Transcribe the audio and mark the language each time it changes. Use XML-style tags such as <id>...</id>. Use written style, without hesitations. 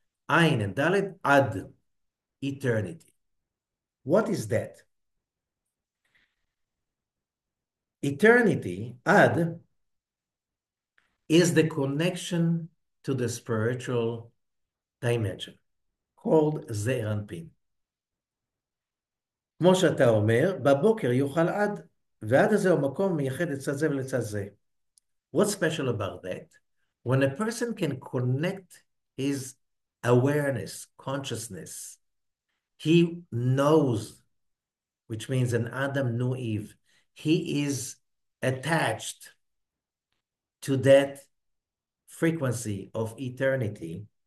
<en>Ayin and dalet, ad, eternity. What is that? Eternity, ad, is the connection to the spiritual dimension called Ze'er Anpin.</en> <he>כמו שאתה אומר, בבוקר יוכל עד, ועד הזה הוא מקום מייחד לצד זה ולצד זה.</he> <en>What's special about that? When a person can connect his awareness, consciousness, he knows, which means an Adam knew Eve, he is attached to that frequency of eternity,</en>